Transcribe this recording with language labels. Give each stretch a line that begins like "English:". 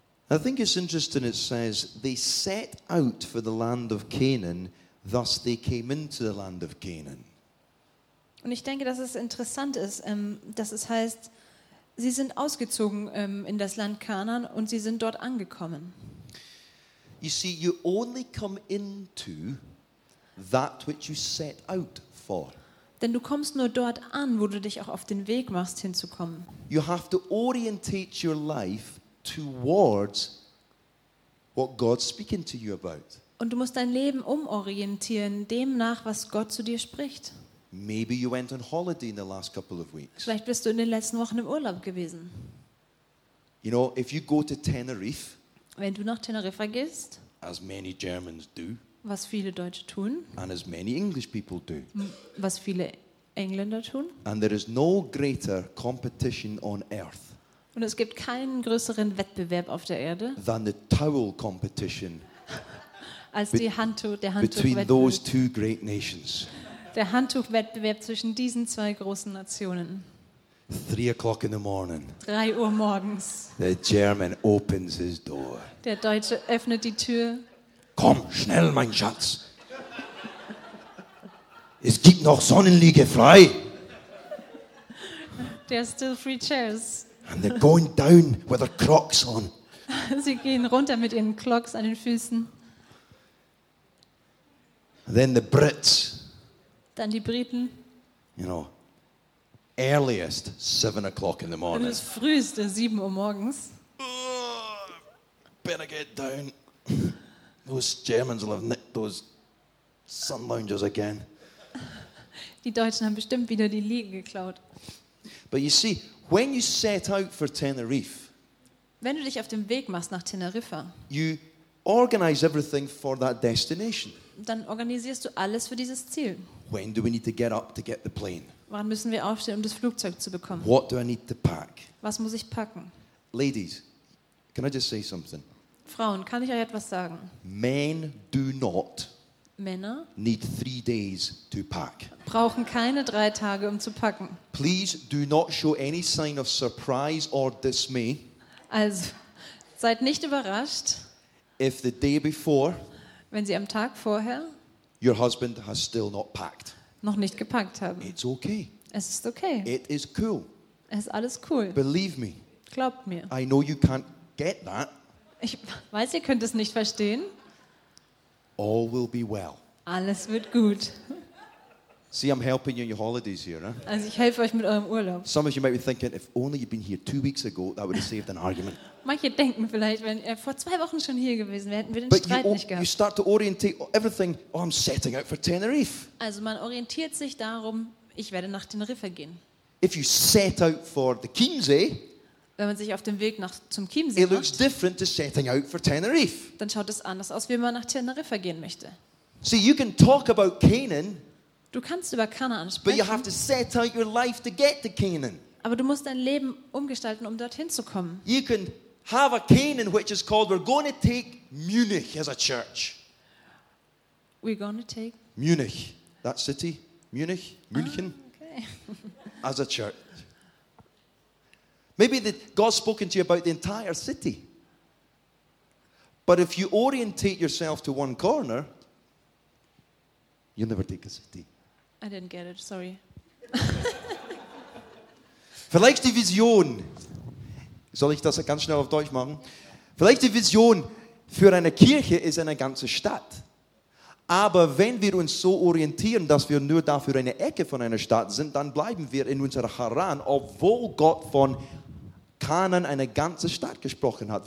English: I think it's interesting, it says, they set out for the land of Canaan, thus they came into the land of Canaan.
German: Und ich denke, dass es interessant ist, dass es heißt, sie sind ausgezogen in das Land Kanaan und sie sind dort angekommen.
English: You see, you only come into that which you set out for.
German: Denn du kommst nur dort an, wo du dich auch auf den Weg machst, hinzukommen.
English: You have to orientate your life towards what God's speaking to you about.
German: Und du musst dein Leben umorientieren dem nach, was Gott zu dir spricht.
English: Maybe you went on holiday in the last couple of weeks.
German: Vielleicht bist du in den letzten Wochen im Urlaub gewesen.
English: You know, if you go to Tenerife,
German: wenn du nach Teneriffa gehst,
English: as many Germans do,
German: was viele Deutsche tun,
English: and as many English people do,
German: was viele Engländer tun,
English: and there is no greater competition on earth.
German: Und es gibt keinen größeren Wettbewerb auf der Erde
English: than the towel competition
German: als die Handtuch, der
English: Handtuchwettbewerb between those two great nations.
German: Der Handtuchwettbewerb zwischen diesen zwei großen Nationen.
English: 3 o'clock in the morning.
German: 3 Uhr morgens.
English: The German opens his door.
German: Der Deutsche öffnet die Tür. Komm schnell, mein Schatz. Es gibt noch Sonnenliege frei.
English: There are still free chairs. And they're going down with their Crocs on.
German: Sie gehen runter mit ihren Crocs an den Füßen.
English: And then the Brits.
German: Dann die Briten.
English: You know, earliest 7 o'clock in the morning.
German: Das früheste 7 Uhr morgens.
English: Better get down. Those Germans will have nicked those sun loungers again.
German: Die Deutschen haben bestimmt wieder die Liegen geklaut.
English: But you see, when you set out for Tenerife,
German: wenn du dich auf den Weg machst nach Teneriffa,
English: you organize everything for that destination.
German: Dann organisierst du alles für dieses Ziel.
English: When do we need to get up to get the plane?
German: Wann müssen wir aufstehen, um das Flugzeug zu bekommen?
English: What do I need to pack?
German: Was muss ich packen?
English: Ladies, can I just say something?
German: Frauen, kann ich euch etwas sagen?
English: Men do not
German: Männer
English: need 3 days to pack.
German: Brauchen keine 3 Tage, um zu packen.
English: Please do not show any sign of surprise or dismay.
German: Also, seid nicht überrascht.
English: If the day before,
German: wenn Sie am Tag vorher,
English: your husband has still not packed,
German: noch nicht gepackt haben.
English: It's okay.
German: Es ist okay.
English: It is cool.
German: Es ist alles cool.
English: Believe me.
German: Glaubt mir.
English: I know you can't get that.
German: Ich weiß, ihr könnt es nicht verstehen.
English: All will be well.
German: Alles wird gut.
English: See, I'm helping you in your holidays here, huh?
German: Also ich helfe euch mit eurem Urlaub.
English: Some of you might be thinking, if only you'd been here 2 weeks ago, that would have saved an argument.
German: Manche denken vielleicht, wenn er vor 2 Wochen schon hier gewesen wäre, hätten wir den Streit nicht gehabt.
English: But you start to orientate everything. Oh, I'm setting out for Tenerife.
German: Also man orientiert sich darum, ich werde nach Teneriffa gehen.
English: If you set out for the Chiemsee,
German: wenn man sich auf dem Weg nach zum Chiemsee macht,
English: it looks different to setting out for Tenerife.
German: Dann schaut es anders aus, wie man nach Teneriffa gehen möchte.
English: See, you can talk about Canaan.
German: Du kannst über Kanaan sprechen.
English: But you have to set out your life to get to Canaan.
German: Aber du musst dein Leben umgestalten, um dorthin zu kommen.
English: You can have a Canaan which is called, we're going to take Munich as a church. We're going to take Munich, that city, Munich, München, okay. As a church. Maybe God's spoken to you about the entire city. But if you orientate yourself to one corner, you'll never take a city. I didn't get it, sorry.
German: Vielleicht die Vision, soll ich das ganz schnell auf Deutsch machen? Vielleicht die Vision für eine Kirche ist eine ganze Stadt. Aber wenn wir uns so orientieren, dass wir nur dafür eine Ecke von einer Stadt sind, dann bleiben wir in unserer Haran, obwohl Gott von Kanan eine ganze Stadt gesprochen hat.